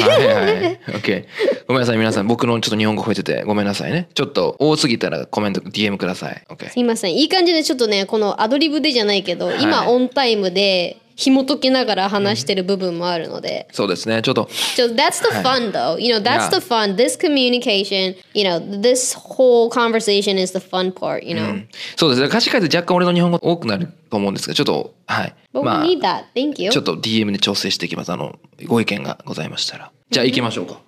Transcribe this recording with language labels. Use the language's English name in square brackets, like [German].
[Japanese] はいはい、okay、ごめんなさい皆さん、僕のちょっと日本語増えててごめんなさいね。ちょっと多すぎたらコメント DM ください、okay、すいません。いい感じでちょっとね、このアドリブでじゃないけど、はい、今オンタイムで紐解きながら話してる部分もあるので、うん、そうですね。ちょっと [English] That's the fun though. You know, that's the fun. This communication, you know, this whole conversation is the fun part, you know.、 [Japanese] うん、そうですね。歌詞書いて若干俺の日本語多くなると思うんですが、ちょっとはい。 [English] But、 [Japanese] まあ、 [English] we need that. Thank you. [Japanese] ちょっと DM で調整していきます。あのご意見がございましたら。じゃあ行きましょうか。